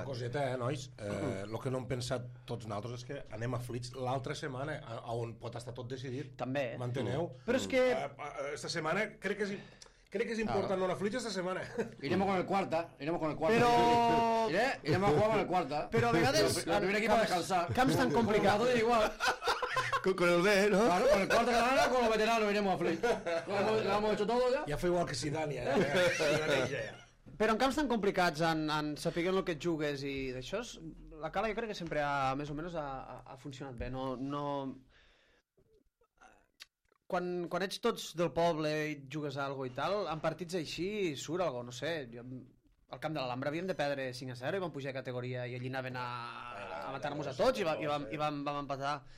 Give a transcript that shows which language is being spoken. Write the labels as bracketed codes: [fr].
[ca] Una coseta, nois, el que no hem pensat tots nosaltres és que anem a Flix l'altra setmana, on pot estar tot decidit. També. M'enteneu? Però és que... Esta setmana crec que és important anar a Flix esta setmana. Anem amb el quarta. Però... Anem a jugar amb el quarta. Però a vegades... La primera equipa de calçar. Camps tan complicats. Igual. [es] Con el B, ¿no? Claro, con el cuarto de la con los veteranos iremos a Flix. Lo hemos hecho todo ya. Ya fue igual que si Dani, ¿eh? [ca] Però en camps tan complicats, en sapiguen el que et jugues i d'això, la Cala jo crec que sempre més o menys ha funcionat bé. No... Quan ets tots del poble i et jugues a algo i tal, en partits així surt algo, no sé. Jo, al camp de l'Alhambra havíem de perdre 5-0 i vam pujar a categoria i allí anaven a matar-nos a tots i vam empatar.